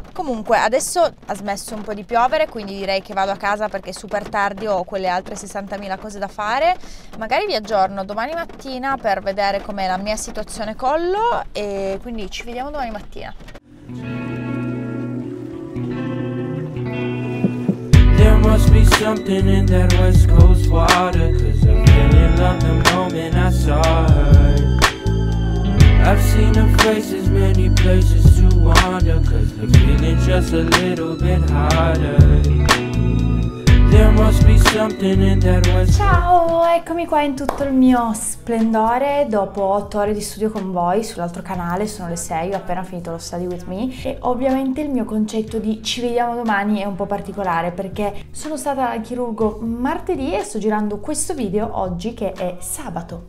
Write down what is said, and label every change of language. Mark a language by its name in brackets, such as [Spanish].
[Italian] Comunque, adesso ha smesso un po' di piovere, quindi direi che vado a casa perché è super tardi, ho quelle altre 60.000 cose da fare. Magari vi aggiorno domani mattina per vedere com'è la mia situazione collo, e quindi ci vediamo domani mattina. [English] There must be something in that West Coast water, 'cause I really love the moment I saw her. I've seen her faces many places to wander, 'cause I'm feeling just a little bit harder. There must be something in that West Coast. [Italian] Ciao, eccomi qua in tutto il mio splendore dopo 8 ore di studio con voi sull'altro canale. Sono le 6, ho appena finito lo Study With Me, e ovviamente il mio concetto di ci vediamo domani è un po' particolare, perché sono stata al chirurgo martedì e sto girando questo video oggi che è sabato.